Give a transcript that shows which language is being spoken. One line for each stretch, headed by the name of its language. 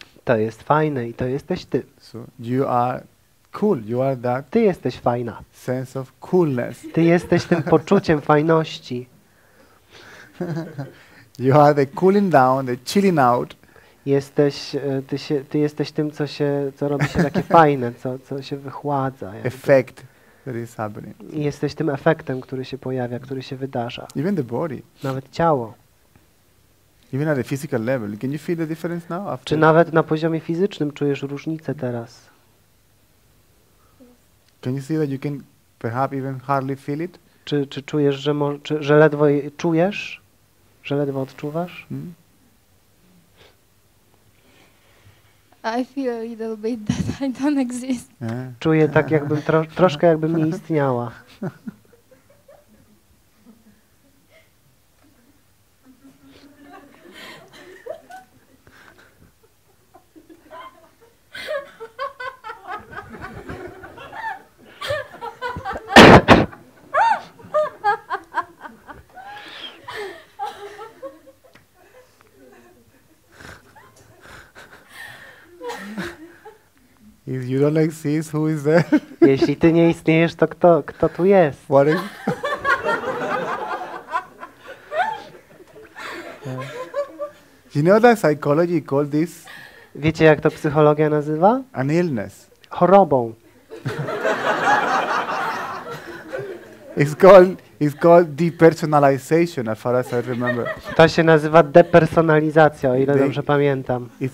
Polish: To jest fajne i to jesteś ty.
English: So you are cool. You are that.
Polish: Ty jesteś fajna.
English: Sense of coolness.
Polish: Ty jesteś tym poczuciem fajności.
English: You are the cooling down, the chilling out.
Polish: Jesteś, ty jesteś tym, co robi się takie fajne, co się wychładza. Jakby.
English: Effect that is happening.
Polish: I jesteś tym efektem, który się pojawia, który się wydarza.
English: Even the body.
Polish: Nawet ciało.
English: Even at the physical level. Can you feel the difference now? After?
Polish: Czy nawet na poziomie fizycznym czujesz różnicę teraz?
English: Can you see that you can perhaps even hardly feel it?
Polish: Czy czujesz, że ledwo czujesz? Że ledwo odczuwasz? Hmm?
English: I feel a little bit that I don't exist. Yeah.
Polish: Czuję tak, jakbym troszkę jakbym nie istniała.
English: If you don't exist, who is there?
Polish: Jeśli ty nie istniejesz, to kto tu jest?
English: What is? You know that psychology called this?
Polish: Wiecie, jak to psychologia nazywa?
English: An illness.
Polish: Chorobą.
English: It's called depersonalization, as far as I remember.
Polish: To się nazywa depersonalizacja, o ile dobrze pamiętam.